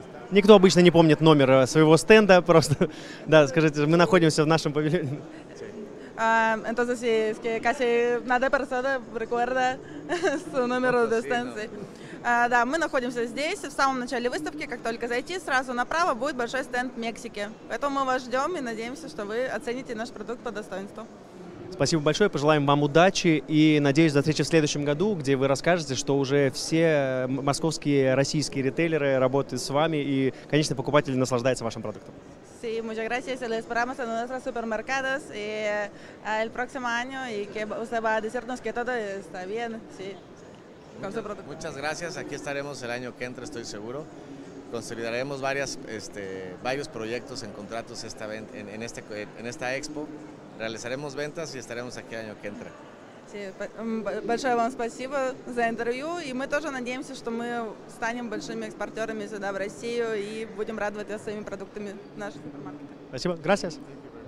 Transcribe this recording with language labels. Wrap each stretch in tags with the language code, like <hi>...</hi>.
<ru>Никто обычно не помнит номер своего стенда, просто, да, скажите, мы находимся в нашем павильоне.</ru> <es>Entonces, sí, es que casi nada persona recuerda su número de estancia.</es> <ru>Да, мы находимся здесь, в самом начале выставки, как только зайти, сразу направо будет большой стенд Мексики. Поэтому мы вас ждем и надеемся, что вы оцените наш продукт по достоинству. Спасибо большое, пожелаем вам удачи и надеюсь до встречи в следующем году, где вы расскажете, что уже все московские российские ритейлеры работают с вами и, конечно, покупатель наслаждается вашим продуктом.</ru> <es>Sí, muchas gracias. Lo esperamos en nuestros supermercados y el próximo año y que usted va a decirnos que todo está bien, sí. Muchas gracias. Aquí estaremos el año que entra, estoy seguro. Consolidaremos varios proyectos en contratos en esta expo. Realizaremos ventas y estaremos aquí el año que entra. Sí,</es> <ru>большое вам спасибо за интервью. И мы тоже надеемся, что мы станем большими экспортерами сюда, в Россию, и будем радовать вас своими продуктами в наших супермаркетах. Спасибо.</ru> <es>Gracias.</es>